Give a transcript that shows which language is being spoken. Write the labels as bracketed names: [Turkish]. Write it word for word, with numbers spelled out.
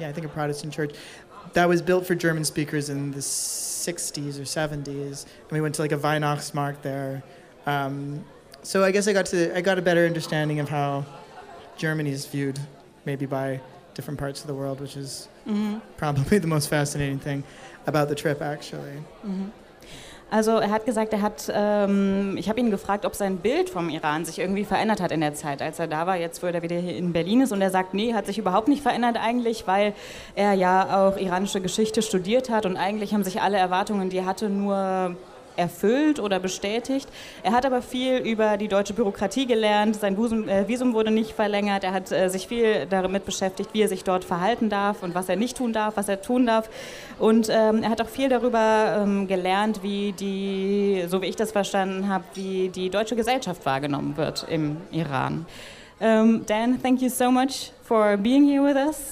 [English] Yeah, I think a Protestant church that was built for German speakers in the sixties or seventies. And we went to like a Weihnachtsmarkt there. Um, so I guess I got to I got a better understanding of how Germany is viewed, maybe by different parts of the world, which is mm-hmm. probably the most fascinating thing about the trip, actually. Mm-hmm. [German] Also er hat gesagt, er hat, ähm, ich habe ihn gefragt, ob sein Bild vom Iran sich irgendwie verändert hat in der Zeit, als er da war, jetzt wo er wieder hier in Berlin ist. Und er sagt, nee, hat sich überhaupt nicht verändert eigentlich, weil er ja auch iranische Geschichte studiert hat und eigentlich haben sich alle Erwartungen, die er hatte, nur erfüllt oder bestätigt. Er hat aber viel über die deutsche Bürokratie gelernt, sein Visum, äh, Visum wurde nicht verlängert, er hat äh, sich viel damit beschäftigt, wie er sich dort verhalten darf und was er nicht tun darf, was er tun darf. Und ähm, er hat auch viel darüber ähm, gelernt, wie die, so wie ich das verstanden habe, wie die deutsche Gesellschaft wahrgenommen wird im Iran. [English] Um, Dan, thank you so much for being here with us.